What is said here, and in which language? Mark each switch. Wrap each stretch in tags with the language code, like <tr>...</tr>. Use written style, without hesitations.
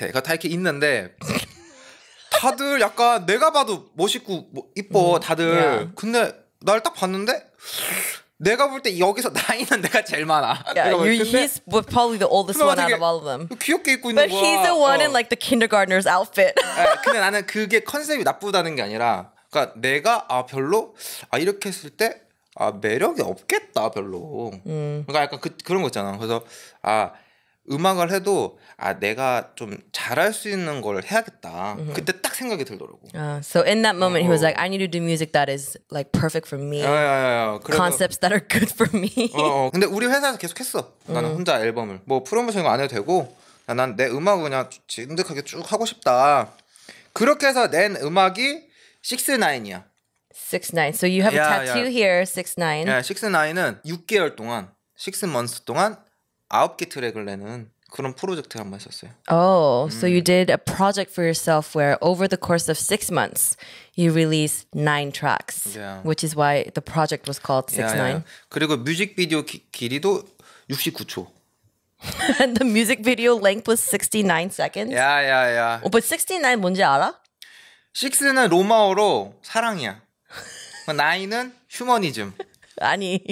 <ko>그러니까 다 이렇게 있는데. 다들 약간 내가 봐도 멋있고 이뻐 다들.</ko> <en>Yeah.</en> <ko>근데 날 딱 봤는데 내가 볼 때 여기서 나이는 내가 제일 많아.</ko> <en>Yeah, he's probably the oldest one out of all of them.</en> <ko>귀엽게 입고 있는 거야.</ko> <en>But he's the one in like the kindergartner's outfit.</en> <ko>네, 근데 나는 그게 컨셉이 나쁘다는 게 아니라 그러니까 내가 별로 이렇게 했을 때 매력이 없겠다 별로. 그러니까 약간 그런 거 있잖아. 그래서 음악을 해도 아 내가 좀 잘할 수 있는 걸 해야겠다. Mm-hmm. 그때 딱 생각이 들더라고.</ko> <en>So in that moment, he was like, I need to do music that is like perfect for me. Concepts that are good for me.</en> <ko>근데 우리 회사에서 계속했어. 나는 혼자 앨범을 뭐 프로모션 이거 안 해도 되고, 난 내 음악 그냥 진득하게 쭉 하고 싶다. 그렇게 해서 낸 음악이 69이야.</ko> <en>69. So you have a tattoo here, 69.</en> <ko>69은 6개월 동안,</ko> <en>6 months</en> <ko>동안 9개 트랙을 내는 그런 프로젝트를 한번 했었어요.</ko> <en>Oh, so you did a project for yourself where over the course of 6 months, you released 9 tracks, which is why the project was called 69. Yeah, yeah.</en> <ko>그리고 뮤직비디오 길이도 69초.</ko> <en>And the music video length was 69 seconds? Yeah, yeah, yeah. Oh, but</en> <ko>69 뭔지 알아? 6는 로마어로 사랑이야. 나이는 휴머니즘. 아니.</ko>